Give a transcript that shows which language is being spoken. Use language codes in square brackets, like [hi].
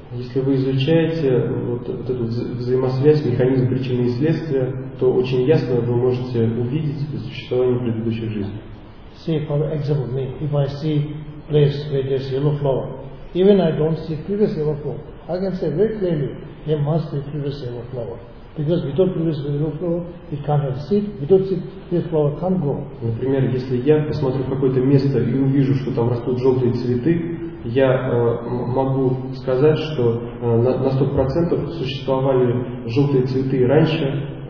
[ru] Если вы изучаете вот эту взаимосвязь, механизм причины и следствия, то очень ясно вы можете увидеть существование предыдущей жизни. [en] See, for example, me, if I see place where there's yellow flower, even I don't see previous yellow flower, I can say very clearly there must be previous yellow flower. Because without previous yellow flower, it can't have seed. Without seed, this flower can't grow. [ru] Например, если я посмотрю в какое-то место и увижу, что там растут желтые цветы, я могу сказать, что на 100% существовали желтые цветы раньше.